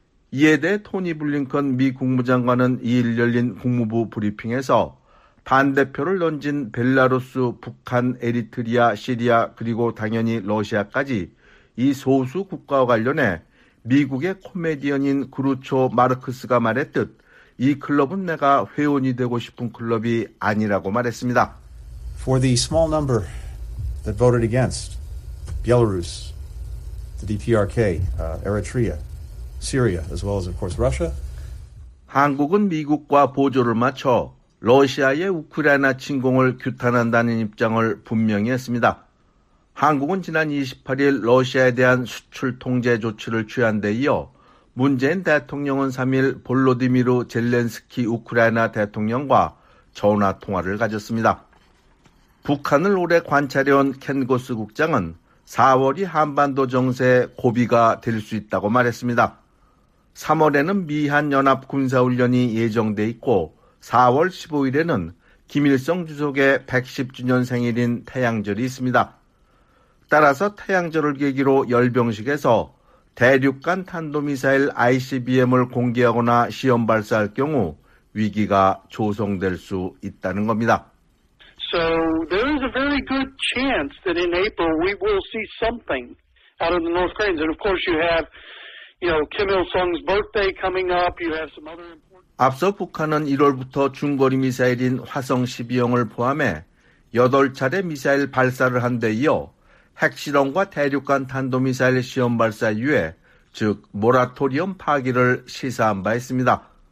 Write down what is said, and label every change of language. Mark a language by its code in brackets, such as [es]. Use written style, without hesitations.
[ko] 이에 대해 토니 블링컨 미 국무장관은 2일 열린 국무부 브리핑에서 반대표를 던진 벨라루스, 북한, 에리트리아, 시리아 그리고 당연히 러시아까지 이 소수 국가와 관련해 미국의 코미디언인 그루초 마르크스가 말했듯 이 클럽은 내가 회원이 되고 싶은 클럽이 아니라고 말했습니다. [en] For the small number that voted against Belarus, the DPRK, Eritrea, Syria, as well as, of course, Russia. [ko] 한국은 미국과 보조를 맞춰 러시아의 우크라이나 침공을 규탄한다는 입장을 분명히 했습니다. 한국은 지난 28일 러시아에 대한 수출 통제 조치를 취한 데 이어 문재인 대통령은 3일 볼로디미르 젤렌스키 우크라이나 대통령과 전화 통화를 가졌습니다. 북한을 오래 관찰해온 켄고스 국장은 4월이 한반도 정세의 고비가 될 수 있다고 말했습니다. 3월에는 미한연합군사훈련이 예정돼 있고 4월 15일에는 김일성 주석의 110주년 생일인 태양절이 있습니다. 따라서 태양절을 계기로 열병식에서 대륙 간 탄도미사일 ICBM을 공개하거나 시험 발사할 경우 위기가 조성될 수 있다는 겁니다. [en] So there is a very good chance that in April we will see something out of the North Koreans. And of course you have, you know, Kim Il-sung's birthday coming up. You have some other important... [ko] 앞서 북한은 1월부터 중거리 미사일인 화성 12형을 포함해 8차례 미사일 발사를 한 데 이어 핵실험과 대륙간 탄도미사일 시험 발사 이후에 즉 모라토리엄 파기를 시사한 바 있습니다.